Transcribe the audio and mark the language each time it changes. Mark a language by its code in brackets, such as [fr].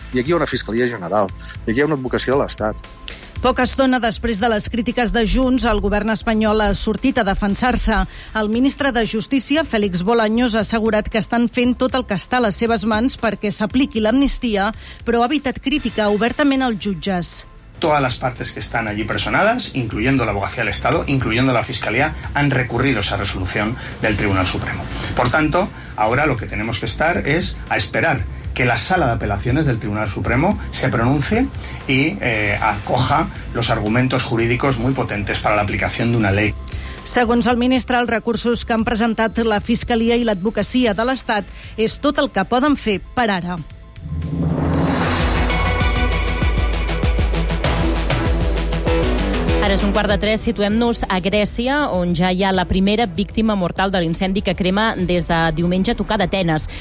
[ca] I aquí hi ha una Fiscalia General, i aquí hi ha una Advocacia de l'Estat. Poca estona després de les crítiques de Junts, el govern espanyol ha sortit a defensar-se. El ministre de Justícia, Félix Bolaños, ha assegurat que estan fent tot el que està a les seves mans perquè s'apliqui l'amnistia, però ha evitat crítica obertament als jutges. [es] Todas las partes que están allí personadas, incluyendo la Abogacía del Estado, incluyendo la Fiscalía, han recurrido esa resolución del Tribunal Supremo. Por tanto, ahora lo que tenemos que estar es a esperar que la Sala de Apelaciones del Tribunal Supremo se pronuncie y acoja los argumentos jurídicos muy potentes para la aplicación de una ley. [ca] Segons el ministre, els recursos que han presentat la Fiscalia i l'Advocacia de l'Estat és tot el que poden fer per ara. Ara Ara és un quart de tres, situem-nos a Grècia, on ja hi ha la primera víctima mortal de l'incendi que crema des de diumenge tocar d'Atenes.